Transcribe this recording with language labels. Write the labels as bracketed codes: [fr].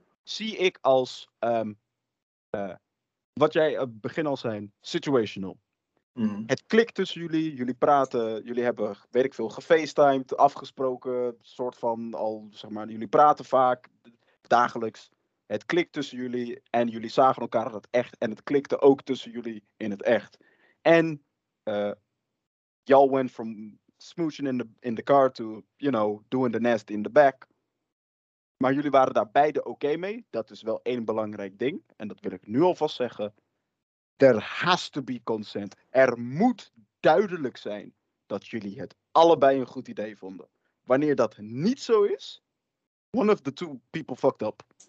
[nl] Zie ik als, wat jij op het begin al zei, situational. Mm-hmm. Het klikt tussen jullie, jullie praten, jullie hebben, weet ik veel, gefacetimed, afgesproken, soort van al, zeg maar, jullie praten vaak, dagelijks. Het klikt tussen jullie en jullie zagen elkaar dat echt en het klikte ook tussen jullie in het echt. [en] En y'all went from smooching in the car to, you know, doing the nest in the back. [nl] Maar jullie waren daar beide oké mee, dat is wel één belangrijk ding en dat wil ik nu alvast zeggen. [en] There has to be consent. [nl] Er moet duidelijk zijn dat jullie het allebei een goed idee vonden. Wanneer dat niet zo is, [en] one of the two people fucked up.